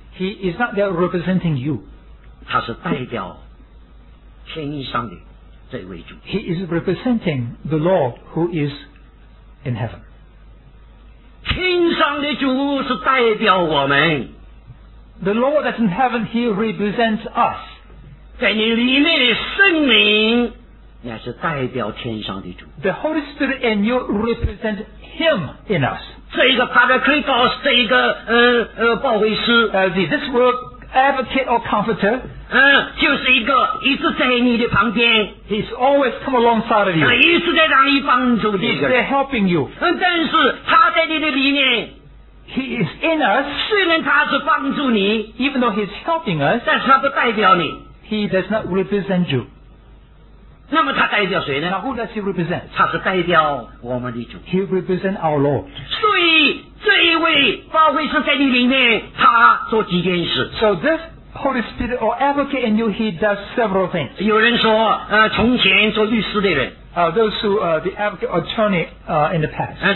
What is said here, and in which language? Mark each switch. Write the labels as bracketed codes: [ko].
[en] He is not there representing you He is representing the Lord who is in heaven. [zh] 天上的主是代表我们。 [en] The Lord that's in heaven, he represents us. [zh] 在你里面的圣灵也是代表天上的主。 [en] The Holy Spirit and you represent him in us. [zh] 这个 Paracletos, 这个保惠师。 [en] This word advocate or comforter, [zh] 就是一个一直在你的旁边 [en] He's always come alongside of you [zh] 一直在让你帮助你 [en] He's there helping you [zh] 但是他在你的里面 [en] He is in us [zh] 虽然他是帮助你 [en] Even though he's helping us [zh] 但是他不代表你 [en] He does not represent you [zh] 那么他代表谁呢 [en] Now who does he represent [zh] 他是代表我们的主 [en] He represents our Lord [zh] 所以这一位保惠师在你里面他做几件事 [en] So this Holy Spirit or advocate in you he does several things [zh] 有人说从前做律师的人 [en] Those who are the advocate or attorney in the past